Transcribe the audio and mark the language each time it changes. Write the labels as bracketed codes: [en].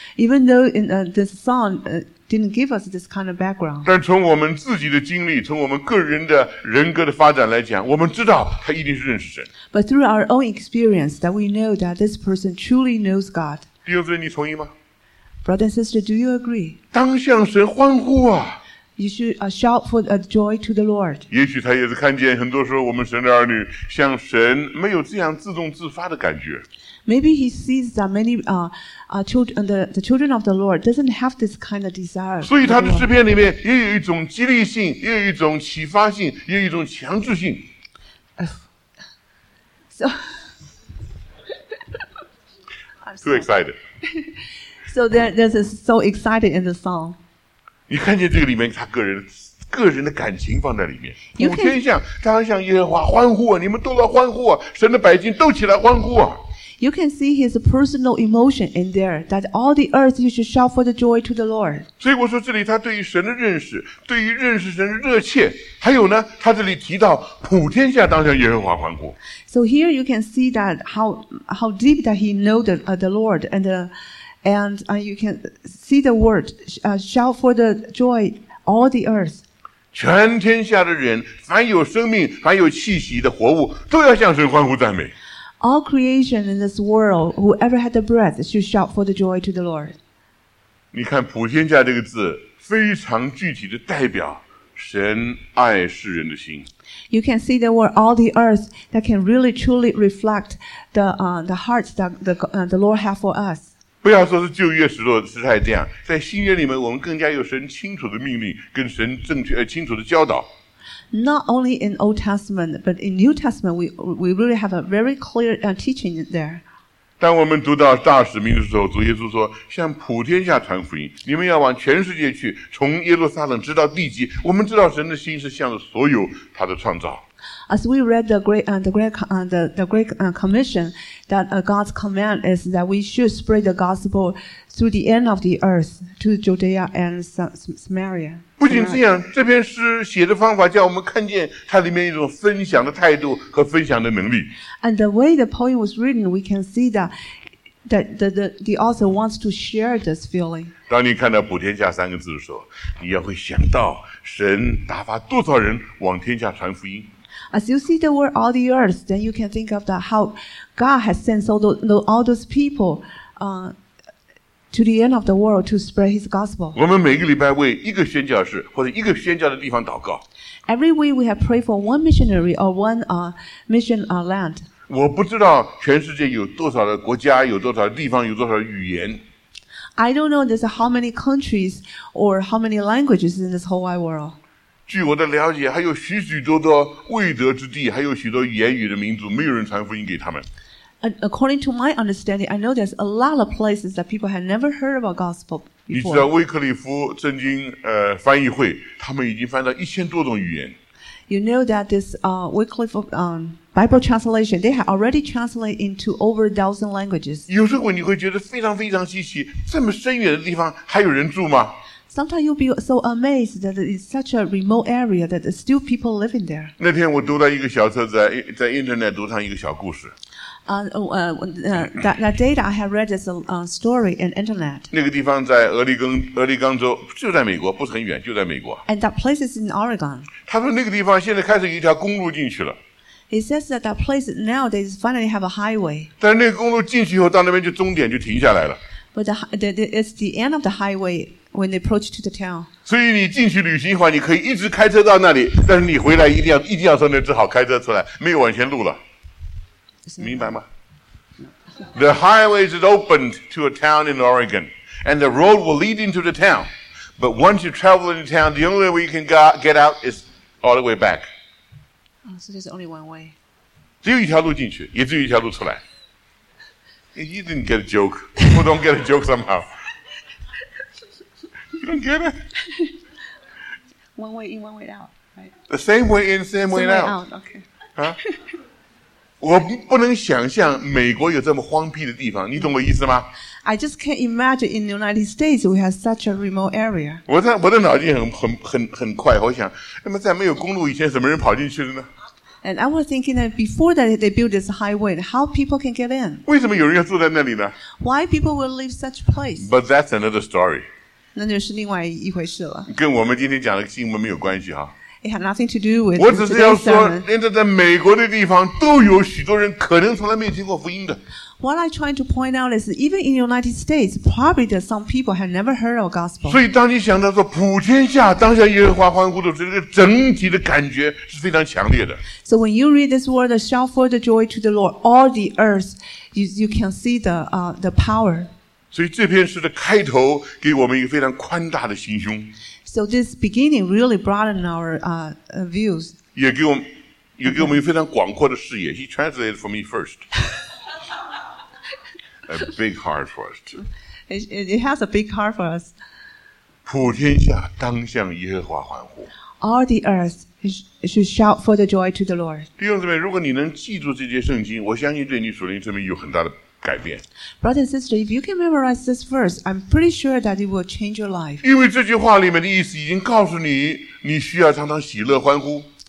[en] Even though in, this song, didn't give us this kind of background. [zh] 但从我们自己的经历，从我们个人的人格的发展来讲，我们知道他一定是认识神。 [en] But through our own experience that we know that this person truly knows God. [zh] 弟兄姊妹，你同意吗？ [en] Brother and sister, do you agree? [zh] 当向神欢呼啊。 [en] You should shout for joy to the Lord. [zh] 也许他也是看见很多时候我们神的儿女向神没有这样自动自发的感觉。 [en] Maybe he sees that many children, the children of the Lord doesn't have this kind of desire. [zh] 所以他的诗篇里面也有一种激励性，也有一种启发性，也有一种强制性。 [en] So, too excited. So there's so excited in the song. [zh] 你看见这个里面他个人的感情放在里面。普天下当向耶和华欢呼啊，你们都来欢呼啊，神的百姓都起来欢呼啊。 [en] You can see his personal emotion in there that all the earth you should shout for the joy to the Lord. [zh] 所以我说这里他对于神的认识，对于认识神的热切，还有呢，他这里提到普天下当向耶和华欢呼。 [en] So here you can see that how deep that he knows the Lord and you can see the word, shout for the joy, all the earth. [zh] 全天下的人，凡有生命，凡有气息的活物，都要向神欢呼赞美。 [en] All creation in this world, whoever had the breath, should shout for the joy to the Lord. [zh] 你看普天下这个字，非常具体的代表神爱世人的心。 [en] You can see the word all the earth that can really truly reflect the hearts that the Lord have for us. [zh] 不要说是旧约时代是这样，在新约里面，我们更加有神清楚的命令跟神正确清楚的教导。 [en] Not only in Old Testament, but in New Testament, we really have a very clear teaching there. [zh] 当我们读到大使命的时候，主耶稣说：“向普天下传福音，你们要往全世界去，从耶路撒冷直到地极。” 我们知道神的心是向着所有他的创造。 [en] As we read the great commission, that God's command is that we should spread the gospel through the end of the earth to Judea and Samaria. [zh] 不仅这样，这篇诗写的方法叫我们看见它里面一种分享的态度和分享的能力。 [en] And the way the poem was written, we can see that the author wants to share this feeling. [zh] 当你看到普天下三个字的时候，你要会想到神打发多少人往天下传福音。 [en] As you see the word all the earth, then you can think of that how God has sent all those people, to the end of the world to spread His gospel. [zh] 我们每个礼拜为一个宣教士或者一个宣教的地方祷告。 [en] Every week we have prayed for one missionary or one mission land. [zh] 我不知道全世界有多少的国家，有多少地方，有多少语言。 [en] I don't know there's how many countries or how many languages in this whole wide world. [zh] 据我的了解，还有许许多多未得之地，还有许多言语的民族，没有人传福音给他们。 [en] According to my understanding, I know there's a lot of places that people had never heard about gospel before. [zh] 你知道威克利夫圣经翻译会，他们已经翻到1000多种语言。 [en] You know that this Wycliffe Bible translation, they have already translated into over 1,000 languages. [zh] 有时候你会觉得非常非常稀奇，这么深远的地方还有人住吗？ [en] Sometimes you'll be so amazed that it's such a remote area that there's still people living there. [zh] 那天我读到一个小册子，在 internet 读上一个小故事。 [en] That day that I had read this story in internet. [zh] 那个地方在俄勒冈州，就在美国，不是很远，就在美国。 [en] And that place is in Oregon. [zh] 他说那个地方现在开始有一条公路进去了。 [en] He says that that place now they finally have a highway. [zh] 但是那个公路进去以后，到那边就终点就停下来了。 [en] But it's the end of the highway. When they approach to the town. [zh] 所以你进去旅行的话，你可以一直开车到那里，但是你回来一定要说那只好开车出来，没有往前路了，明白吗？ [en] The highway is opened to a town in Oregon, and the road will lead into the town. But once you travel into town, the only way you can get out is all the way back. So there's only one way. [zh] 只有一条路进去，也只有一条路出来。 [en] You didn't get a joke. People don't get a joke somehow. You don't get it. One way in, one way out, right? The same way in, same way out. Okay. [zh] 我不能想象美国有这么荒僻的地方，你懂我意思吗？ [en] I just can't imagine in the United States we have such a remote area. [zh] 我的脑筋很快，我想，那么在没有公路以前，什么人跑进去的呢？ [en] And I was thinking that before that they build this highway, how people can get in? [zh] 为什么有人要住在那里呢？ [en] Why people will leave such place? But that's another story. [zh] 那就是另外一回事了，跟我们今天讲的新闻没有关系哈。 [en] It had nothing to do with. [zh] 我只是要说，现在在美国的地方都有许多人可能从来没听过福音的。 [en] What I'm trying to point out is, even in the United States, probably there some people have never heard of gospel. [zh] 所以当你想到说普天下当向耶和华欢呼的时候，这个整体的感觉是非常强烈的。 [en] So when you read this word, shout for the joy to the Lord, all the earth, you can see the power. [zh] 所以这篇诗的开头给我们一个非常宽大的心胸。 So this beginning really broadened our views. 也给我们一个非常广阔的视野。 [en] He translated for me first. A big heart for us too. It has a big heart for us. [zh] 普天下当向耶和华欢呼。 [en] All the earth should shout for the joy to the Lord. [zh] 弟兄姊妹，如果你能记住这节圣经，我相信对你属灵生命有很大的。改变 [en] Brother and sister, if you can memorize this verse, I'm pretty sure that it will change your life. [zh] 因为这句话里面的意思已经告诉你，你需要常常喜乐欢呼。